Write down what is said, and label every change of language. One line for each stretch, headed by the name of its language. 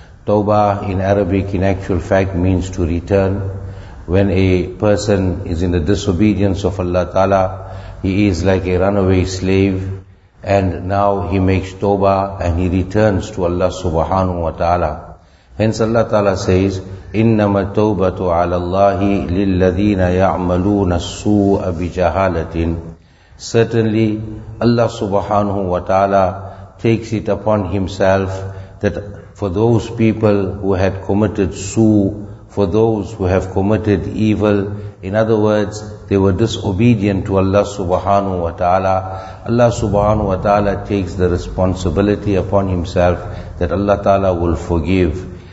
English: Tawbah in Arabic in actual fact means to return. When a person is in the disobedience of Allah Ta'ala, he is like a runaway slave, and now he makes Tawbah and he returns to Allah Subhanahu wa Ta'ala. Hence Allah Ta'ala says,
Arabic: إِنَّمَا التَّوْبَةُ عَلَى اللَّهِ لِلَّذِينَ يَعْمَلُونَ السُّوءَ بِجَهَالَةٍ.
English: Certainly, Allah subhanahu wa ta'ala takes it upon himself that for those people who had committed su', for those who have committed evil, in other words, they were disobedient to Allah subhanahu wa ta'ala, Allah subhanahu wa ta'ala takes the responsibility upon himself that Allah ta'ala will forgive.